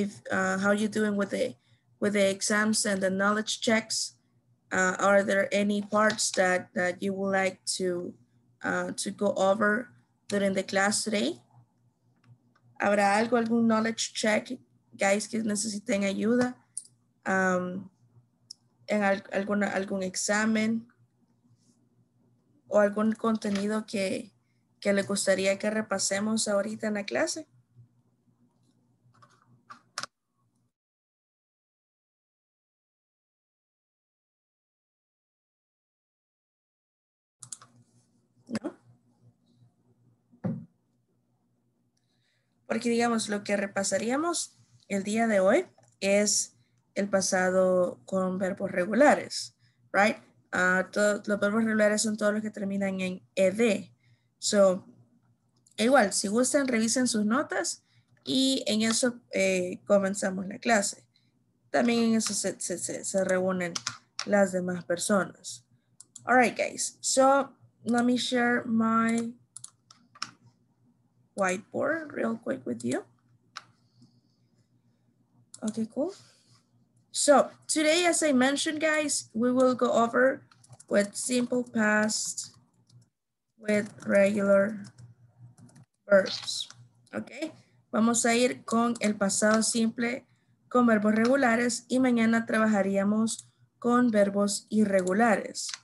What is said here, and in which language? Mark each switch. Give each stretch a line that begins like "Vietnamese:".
English: How are you doing with the exams and the knowledge checks? Are there any parts that you would like to go over during the class today?
Spanish: ¿Habrá algo, algún knowledge check, guys, que necesiten ayuda? ¿En algún examen? ¿O algún contenido que le gustaría que repasemos ahorita en la clase? Porque digamos, lo que repasaríamos el día de hoy es el pasado con verbos regulares, right? Los verbos regulares son todos los que terminan en ed. So, igual, si gustan, revisen sus notas y en eso comenzamos la clase. También en eso se reúnen las demás personas.
English: All right, guys. So, let me share my whiteboard real quick with you. Okay, cool. So today, as I mentioned, guys, we will go over with simple past with regular verbs.
Spanish: Okay, vamos a ir con el pasado simple con verbos regulares y mañana trabajaríamos con verbos irregulares.